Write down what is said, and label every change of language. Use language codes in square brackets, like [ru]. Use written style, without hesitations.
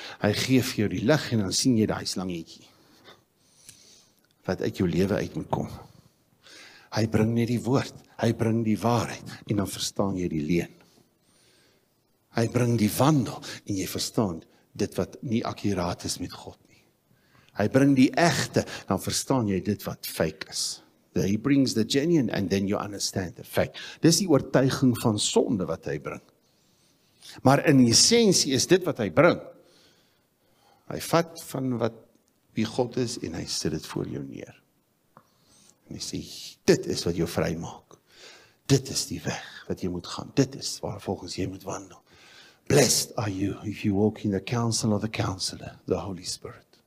[af] Hy gee vir jou die lig en dan sien jy daai slangetjie wat uit jou lewe uit moet kom. Hy bring net die woord, hy bring die waarheid en dan verstaan jy die leuen. Hy bring die wandel en jy verstaan dit wat nie akkuraat is met God nie. Hy bring die egte, dan verstaan jy dit wat fake is. [en] He brings the genuine and then you understand the fact. [af] Dis die oortuiging van sonde wat hy bring. Maar in essensie is dit wat hy bring. Hy vat van wat wie God is en hy sit dit voor jou neer. En hy sê, dit is wat jou vry maak. Dit is die weg wat jy moet gaan. Dit is waar volgens jy moet wandel. [en] Blessed are you if you walk in the counsel of the counselor, the Holy Spirit.